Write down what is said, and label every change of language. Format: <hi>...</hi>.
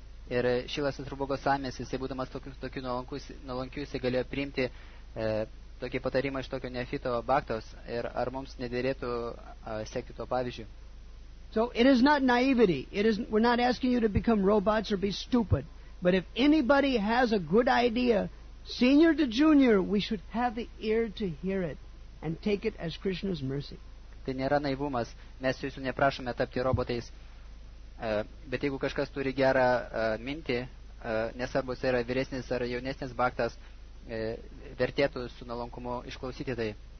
<lt>Ir Šila Satsuru Gosamis, jisai būdamas tokiu nuolankiu, jisai galėjo priimti tokį patarimą iš tokio neofito bhaktos, ir ar mums nederėtų sekti to pavyzdžiu?</lt> <en>So it is not naivety. We're not asking you to become robots or be stupid. But if anybody has a good idea, senior to junior, we should have the ear to hear it and take it as Krishna's mercy.</en> <lt>Tai nėra naivumas. Mes jūsų neprašome tapti robotais. Bet jeigu kažkas turi gerą mintį, nesvarbu, tai yra vyresnis ar jaunesnis baktas, vertėtų su nalankumu išklausyti tai.</lt>